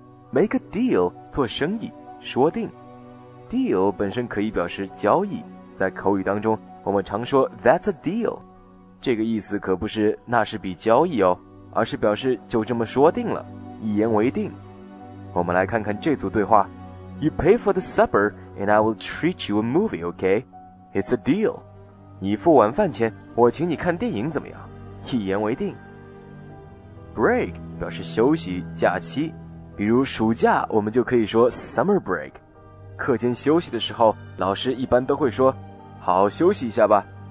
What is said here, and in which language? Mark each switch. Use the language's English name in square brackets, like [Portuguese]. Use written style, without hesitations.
[English] Make a deal, [Chinese] 做生意，说定。Deal 本身可以表示交易，在口语当中，我们常说 [English] that's a deal. [Chinese] 这个意思可不是那是笔交易哦，而是表示就这么说定了，一言为定。我们来看看这组对话。 [English] You pay for the supper and I will treat you a movie, okay? It's a deal. [Chinese] 你付晚饭钱，我请你看电影怎么样？一言为定。Break 表示休息、假期，比如暑假我们就可以说 [English] summer break。 [Chinese] 课间休息的时候，老师一般都会说，好好休息一下吧。